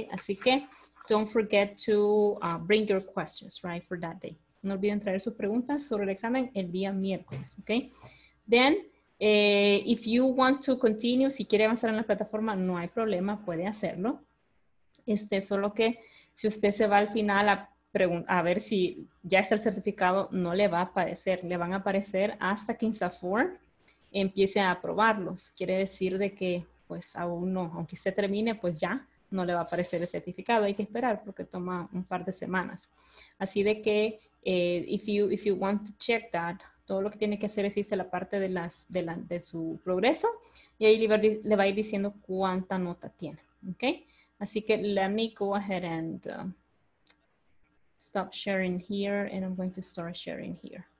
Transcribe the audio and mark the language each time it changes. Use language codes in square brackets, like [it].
[es] Así que, [en] don't forget to bring your questions, right, for that day. [es] No olviden traer sus preguntas sobre el examen el día miércoles, ¿ok? [en] Then, if you want to continue, [es] si quiere avanzar en la plataforma, no hay problema, puede hacerlo. Solo que si usted se va al final a ver si ya está el certificado, no le va a aparecer. Le van a aparecer hasta que INSAFORP empiece a aprobarlos. Quiere decir de que, pues, aún no. Aunque usted termine, pues ya no le va a aparecer el certificado. Hay que esperar porque toma un par de semanas. Así de que, [en] if you want to check that, [es] todo lo que tiene que hacer es irse a la parte de su progreso. Y ahí le va a ir diciendo cuánta nota tiene. ¿Ok? Así que [en] let me go ahead and stop sharing here, and I'm going to start sharing here.